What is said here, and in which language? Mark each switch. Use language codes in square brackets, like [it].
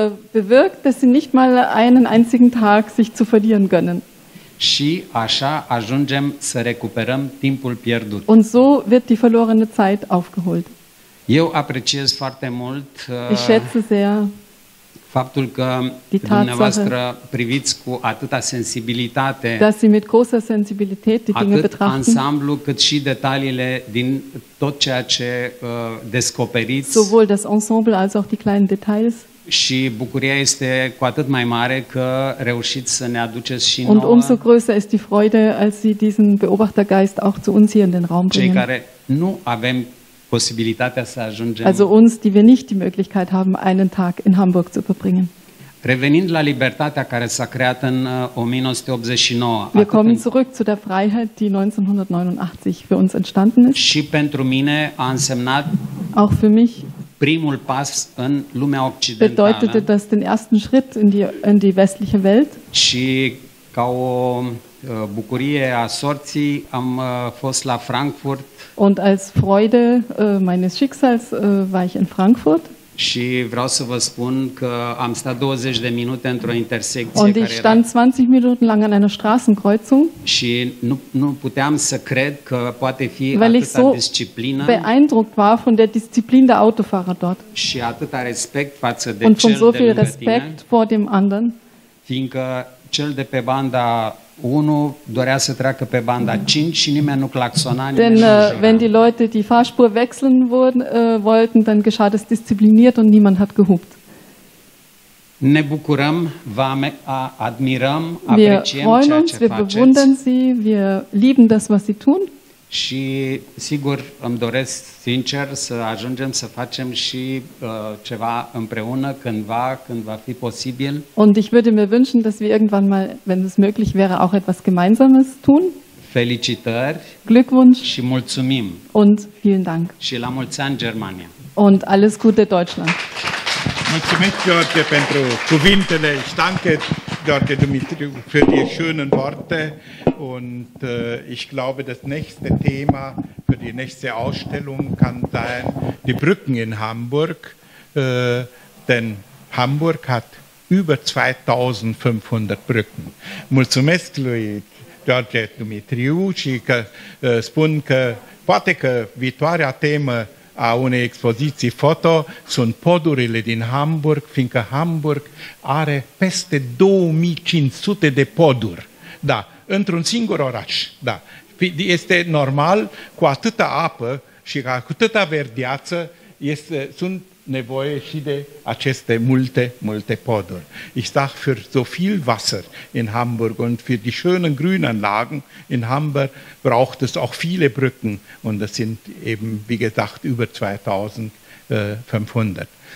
[de] Bewirkt, dass sie nicht mal einen einzigen Tag sich zu verlieren gönnen. [ro] Și așa ajungem să recuperăm timpul pierdut. [de] Und so wird die verlorene Zeit aufgeholt. [ro] Eu apreciez foarte mult [de] ich schätze sehr [ro] faptul că dumneavoastră priviți cu atâta sensibilitate, [de] dass Sie mit großer Sensibilität die Dinge betrachten, [ro] atât ansamblu cât și detaliile din tot ceea ce descoperiți, [de] sowohl das Ensemble als auch die kleinen Details, [ro] Și bucuria este cu atât mai mare că reușiți să ne aduceți și nouă. [de] Umso größer ist die Freude, als Sie diesen Beobachtergeist auch zu uns hier in den Raum bringen. [ro] Cei care nu avem posibilitatea să ajungem. [de] Also uns, die wir nicht die Möglichkeit haben, einen Tag in Hamburg zu verbringen. [ro] Revenind la libertatea care s-a creat în 1989. [de] Wir kommen zurück zu der Freiheit, die 1989 für uns entstanden ist. [ro] Și pentru mine a însemnat [de] auch für mich [ro] primul pas în lumea occidentală. [de] Bedeutete das den ersten Schritt in die westliche Welt? [ro] Și ca o bucurie a sorții am fost la Frankfurt. [de] Und als Freude meines Schicksals war ich in Frankfurt. [ro] Și vreau să vă spun că am stat 20 de minute într-o intersecție. [de] Und ich stand 20 Minuten lang an einer Straßenkreuzung. [ro] Și nu puteam să cred că poate fi atâta disciplină. [de] Weil ich so beeindruckt war von der Disziplin der Autofahrer dort. [ro] Și atâta respect față de [de] cel so viel respect vor dem anderen. [ro] Fiindcă cel de pe banda 1 dorea să treacă pe banda 5 și nimeni nu claxona. [de] Denn wenn die Leute die Fahrspur wechseln wollten, dann geschah das diszipliniert und niemand hat gehupt. [ro] Ne bucurăm, vă admirăm, apreciem ceea ce faceți. [de] Wir bewundern sie, wir lieben das, was sie tun. [ro] Și sigur îmi doresc sincer să ajungem să facem și ceva împreună când va fi posibil. [de] Und ich würde mir wünschen, dass wir irgendwann mal, wenn es möglich wäre, auch etwas gemeinsames tun. [ro] Felicitări. [de] Glückwunsch. [ro] Și mulțumim. [de] Und vielen Dank. [ro] Și la mulți ani, Germania. [de] Und alles Gute, Deutschland. [ro] Mulțumesc, George, pentru cuvintele. [de] Ich danke George Dumitriu für die schönen Worte. Und ich glaube, das nächste Thema für die nächste Ausstellung kann sein die Brücken in Hamburg. Denn Hamburg hat über 2500 Brücken. [ro] Mulțumesc lui George Dumitriu și că spun că poate că viitoarea temă a unei expoziții foto sunt podurile din Hamburg, fiindcă Hamburg are peste 2500 de poduri. Da, într-un singur oraș, da. Este normal, cu atâta apă și cu atâta verdeață, sunt nevoie și de aceste multe, multe poduri. [de] Ich sage, für so viel Wasser in Hamburg und für die schönen grünen Lagen in Hamburg braucht es auch viele Brücken. Und das sind eben, wie gesagt, über 2500.